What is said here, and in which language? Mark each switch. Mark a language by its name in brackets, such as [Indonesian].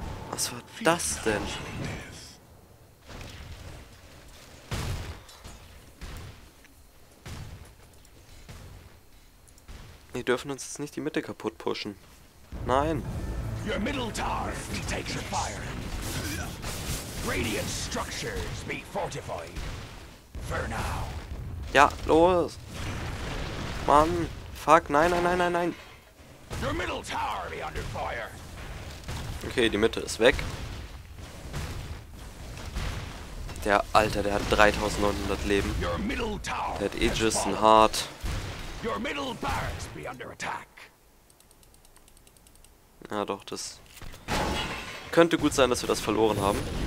[German] Was war das denn? Wir dürfen uns jetzt nicht die Mitte kaputt pushen. Nein. [English] Your middle tower takes fire. Radiant structures be fortified. For now. [German] Ja, los. Mann, fuck, nein, nein, nein, nein, nein. [English] Your middle tower be under fire. Okay, [German] die Mitte ist weg. Der Alter, der hat 3900 Leben. [English] Your middle tower. [German] Der hat Aegis und Hart. [English] Your middle barracks be under attack. [German] Ja doch, das könnte gut sein, dass wir das verloren haben.